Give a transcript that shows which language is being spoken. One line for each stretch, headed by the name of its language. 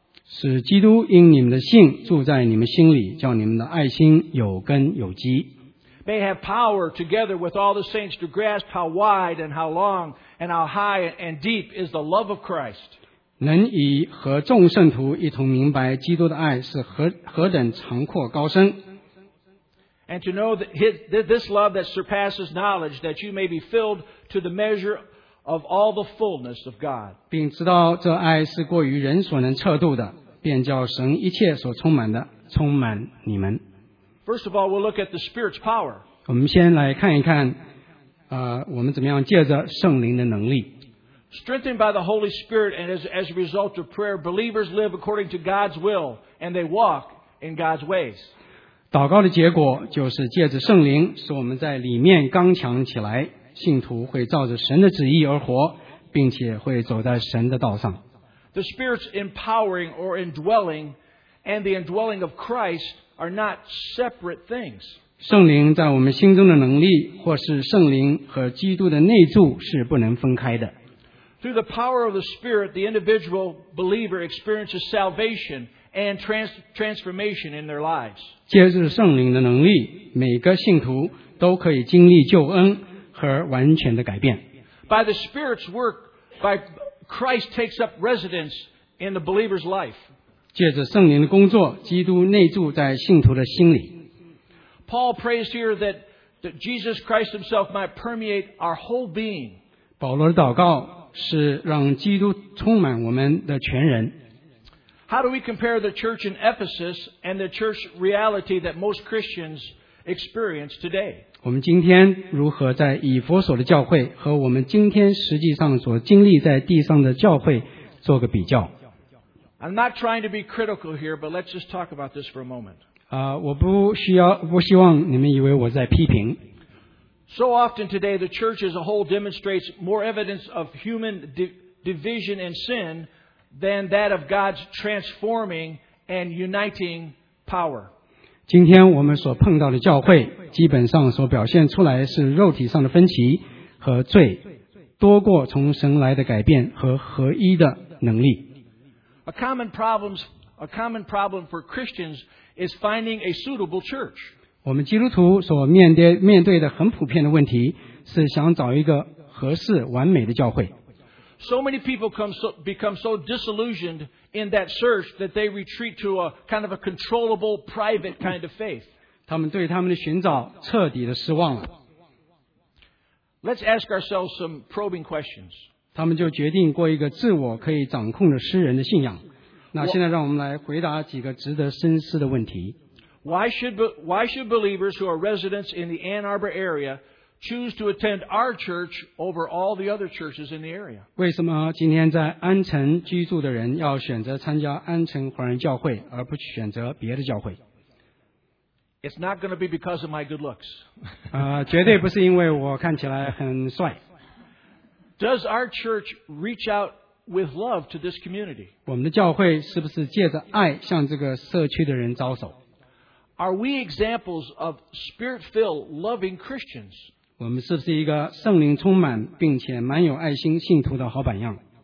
Chinese: 使基督因你们的信住在你们心里，叫你们的爱心有根有基。
English: May have power together with all the saints to grasp how wide and how long and how high and deep is the love of Christ.
Chinese: 能以和众圣徒一同明白基督的爱是何等长阔高深。
English: And to know that this love that surpasses knowledge, that you may be filled to the measure of all the fullness of God.
Chinese: 并知道这爱是过于人所能测度的，便叫神一切所充满的充满你们。
English: First of all, we'll look at the Spirit's power.
Chinese: 我们先来看一看，我们怎么样借着圣灵的能力。
English: Strengthened by the Holy Spirit, and as a result of prayer, believers live according to God's will, and they walk in God's ways.
Chinese: 祷告的结果就是借着圣灵使我们在里面刚强起来，信徒会照着神的旨意而活，并且会走在神的道上。
English: The Spirit's empowering or indwelling and the indwelling of Christ are not separate things.
Chinese: 圣灵在我们心中的能力或是圣灵和基督的内住是不能分开的。
English: Through the power of the Spirit, the individual believer experiences salvation and transformation in their lives.
Chinese: 借着圣灵的能力，每个信徒都可以经历救恩和完全的改变。
English: By the Spirit's work, by Christ takes up residence in the believer's life.
Chinese: 借着圣灵的工作，基督内住在信徒的心里。
English: Paul prays here that Jesus Christ himself might permeate our whole being.
Chinese: 保罗的祷告是让基督充满我们的全人。
English: How do we compare the church in Ephesus and the church reality that most Christians experience today.
Chinese: 我们今天如何在以弗所的教会和我们今天实际上所经历在地上的教会做个比较。
English: I'm not trying to be critical here, but let's just talk about this for a moment.
Chinese: 我不需要，不希望你们以为我在批评。
English: So often today, the church as a whole demonstrates more evidence of human division and sin than that of God's transforming and uniting power.
Chinese: 今天我们所碰到的教会，基本上所表现出来是肉体上的分歧和罪，多过从神来的改变和合一的能力。
English: A common problem for Christians is finding a suitable church.
Chinese: 我们基督徒所面对的很普遍的问题是想找一个合适完美的教会。
English: So many people become so disillusioned in that search that they retreat to a kind of a controllable private kind of faith.
Chinese: 他们对他们的寻找彻底的失望了。
English: Let's ask ourselves some probing questions.
Chinese: 他们就决定过一个自我可以掌控的诗人的信仰。那现在让我们来回答几个值得深思的问题。
English: Why should believers who are residents in the Ann Arbor area choose to attend our church over all the other churches in the area?
Chinese: 为什么今天在安城居住的人要选择参加安城华人教会而不选择别的教会？
English: It's not going to be because of my good looks.
Chinese: 绝对不是因为我看起来很帅。
English: Does our church reach out with love to this community?
Chinese: 我们的教会是不是借着爱向这个社区的人招手？
English: Are we examples of spirit-filled, loving Christians?
Chinese: 我们是不是一个圣灵充满并且满有爱心信徒的好榜样？